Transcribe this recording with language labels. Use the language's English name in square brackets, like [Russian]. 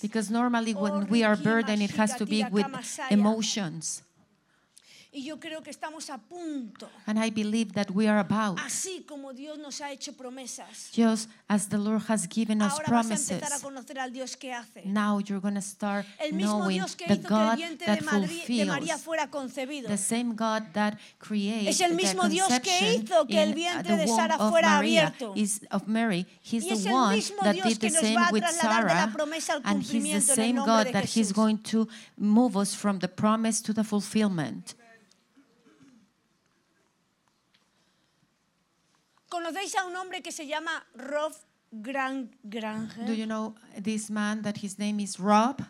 [English] Because normally when we are burdened, it has to be with emotions. [Spanish] Y yo creo que estamos a punto. [English] And I believe that we are about. [Spanish] Así como Dios nos ha hecho promesas. [English] Just as the Lord has given us promises. [Spanish] Ahora vas a empezar a conocer al Dios que hace. [English] Now you're going to start knowing the God that fulfills. [Spanish] De María fuera concebido. [English] The same God that creates. [Spanish] Es el mismo Dios que hizo que el vientre de Sara fuera abierto. [English] Is of Mary. He's the one that did the same with Sarah. And he's the same God that he's going to move us from the promise to the fulfillment. [Spanish] ¿Conocéis a un hombre que se llama Rob Granger? [English] Do you know this man that his name is Rob?